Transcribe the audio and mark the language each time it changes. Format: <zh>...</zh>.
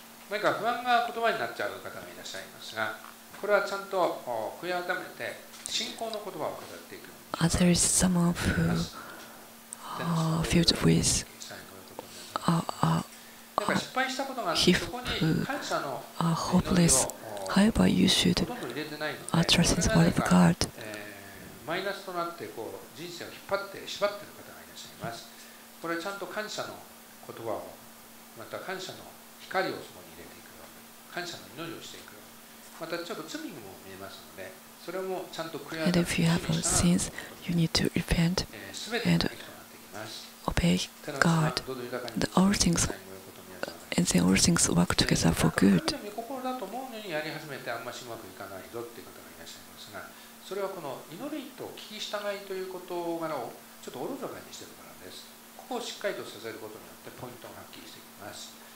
<ja>何か不安が言葉になっちゃう方もいらっしゃいますが、これはちゃんと悔い改めて信仰の言葉を語っていく。</ja> <en>As there is someone who filled with hopeless, however, you should trust in the word of God.</en> <ja>マイナスとなってこう人生を引っ張って縛っている方がいらっしゃいます。これはちゃんと感謝の言葉を、また感謝の光をそこに入れていくよ、感謝の祈りをしていくよ。またちょっと罪も見えますので、それもちゃんと悔い改めて。</ja> <en>And if you have sins, you need to repent and obey God. The all things, and then all things work together for good.</en> <ja>神の御心だと思うのにやり始めてあんましうまくいかないぞっていう方がいらっしゃいますが、それはこの祈りと聞き従いということをちょっとおろそかにしているからです。ここをしっかりとさせることによってポイントがはっきりしてきます。</ja>